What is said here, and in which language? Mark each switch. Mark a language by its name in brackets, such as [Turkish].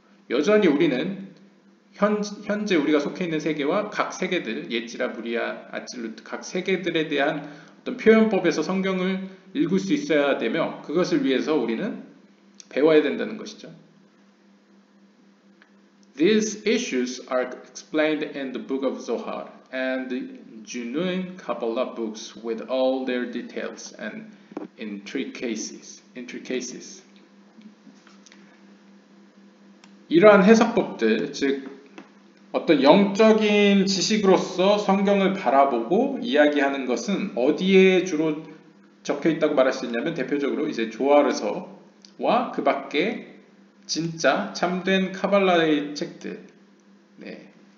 [Korean] 여전히 우리는 현재 우리가 속해 있는 세계와 각 세계들, 예찌라, 무리야, 아틀루트 각 세계들에 대한 어떤 표현법에서 성경을 읽을 수 있어야 되며 그것을 위해서 우리는 배워야 된다는 것이죠. [English] These issues are explained in the Book of Zohar and the genuine Kabbalah books with all their details and intricacies. [Korean] 이러한 해석법들, 즉 어떤 영적인 지식으로서 성경을 바라보고 이야기하는 것은 어디에 주로 적혀 있다고 말할 수 있냐면 대표적으로 이제 조아르서와 그 밖에 진짜 참된 카발라의 책들. 네.